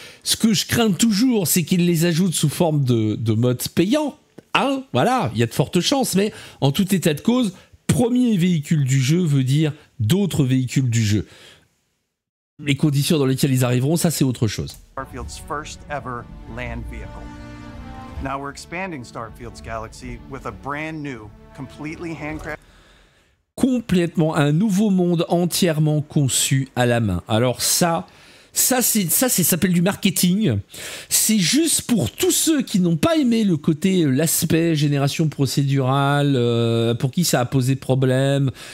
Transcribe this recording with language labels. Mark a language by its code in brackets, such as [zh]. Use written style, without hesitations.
[fr] Ce que je crains toujours, c'est qu'ils les ajoutent sous forme de mode payant. Hein, voilà, il y a de fortes chances, mais en tout état de cause, premier véhicule du jeu veut dire d'autres véhicules du jeu. Les conditions dans lesquelles ils arriveront, ça c'est autre chose. [en] Starfield's first ever land vehicle. Now we're expanding Starfield's galaxy with a brand new, completely handcrafted. [fr] Complètement un nouveau monde entièrement conçu à la main. Alors ça s'appelle du marketing. C'est juste pour tous ceux qui n'ont pas aimé le côté, l'aspect génération procédurale, pour qui ça a posé problème.